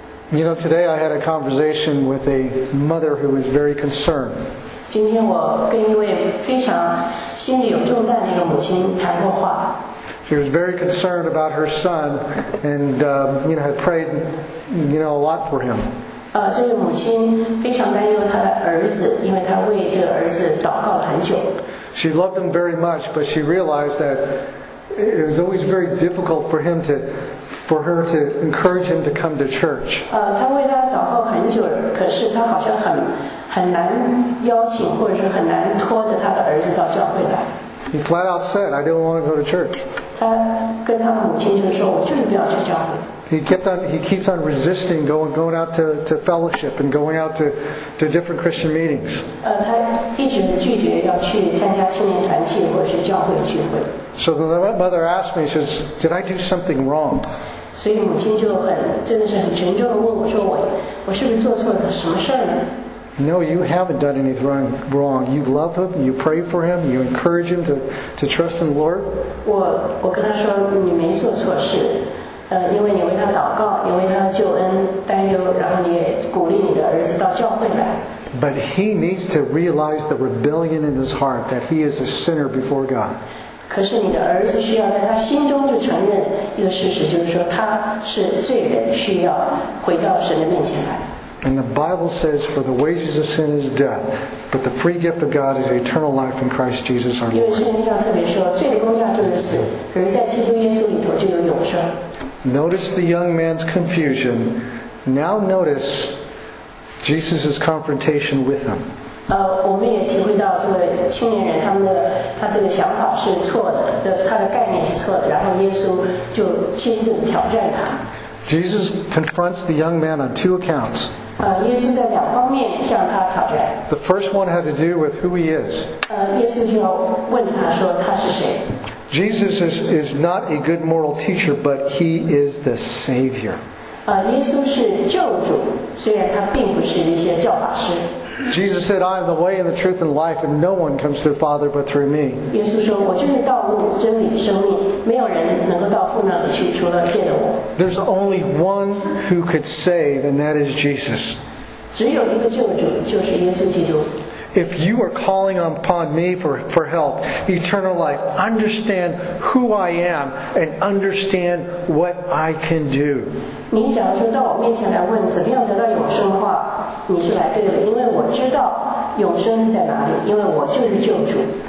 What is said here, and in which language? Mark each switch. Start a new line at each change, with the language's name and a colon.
English: You know, today I had a conversation with a mother who was very concerned.
Chinese: 今天我跟一位非常心里有重担的一个母亲谈过话。
English: She was very concerned about her son and, you know, had prayed, you know, a lot for him.
Chinese: 这位母亲非常担忧她的儿子，因为她为这个儿子祷告了很久。
English: She loved him very much, but she realized that it was always very difficult for him to... for her to encourage him to come to church.
Chinese: 她为他祷告很久，可是她好像很难邀请，或者是很难拖着他的儿子到教会来。
English: He flat out said, "I don't want to go to church."
Chinese: 他跟他母亲就说，我就是不要去教会。
English: He keeps on resisting going out to fellowship and going out to different Christian meetings.
Chinese: 他一直拒绝要去参加青年团契或是教会聚会。
English: So the mother asked me, she says, "Did I do something wrong?" So my mother
Chinese: 就很真的是很沉重的问我说我是不是做错了什么事儿呢？
English: No, you haven't done anything wrong. You love him. You pray for him. You encourage him to trust in the Lord.
Chinese: 我跟她说你没做错事，因为你为他祷告，你为他救恩担忧，然后你也鼓励你的儿子到教会来。
English: But he needs to realize the rebellion in his heart that he is a sinner before God.
Chinese: 可是你的儿子需要在他心中就承认一个事实，就是说他是罪人，需要回到神的面前来。
English: And the Bible says, "For the wages of sin is death, but the free gift of God is eternal life in Christ Jesus our Lord."
Chinese: 因为圣经上特别说，罪的工价就是死，可是在基督耶稣里头就有永生。
English: Notice the young man's confusion. Now notice Jesus' confrontation with him.
Chinese: 我们也体会到这个青年人他这个想法是错的，他的概念是错的，然后耶稣就亲自挑战他。
English: Jesus confronts the young man on two accounts.
Chinese: 耶稣在两方面向他挑战。
English: The first one had to do with who he is.
Chinese: 耶稣就要问他说他是谁。
English: Jesus is not a good moral teacher, but he is the Savior.
Chinese: 耶稣是救主，虽然他并不是一些教法师。
English: Jesus said, "I am the way and the truth and life, and no one comes to the Father but through me."
Chinese: 耶稣说，我就是道路、真理、生命，没有人能够到父那里去，除了借着我。
English: There's only one who could save, and that is Jesus.
Chinese: 只有一个救主，就是耶稣基督。
English: If you are calling upon me for help, eternal life, understand who I am and understand what I can do.
Chinese: 你假如说到我面前来问怎么样得到永生的话，你是来对了，因为我知道永生在哪里，因为我就是救主。